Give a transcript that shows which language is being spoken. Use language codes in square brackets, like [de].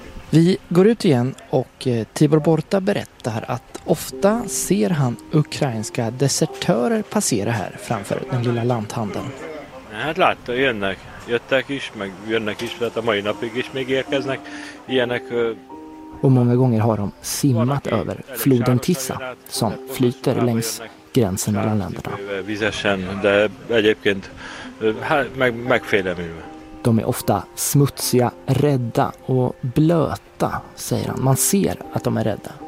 [sv] Vi går ut igen och Tibor Borta berättar att ofta ser han ukrainska desertörer passera här framför den lilla lanthandeln. [hu] Hát látta, jönnek. Jöttek is, meg jönnek is, tehát a mai napig is még érkeznek. Ilyenek. [sv] Och många gånger har de simmat över floden Tisza som flyter längs gränsen mellan länderna. De är ofta smutsiga, rädda och blöta, säger han. Man ser att de är rädda.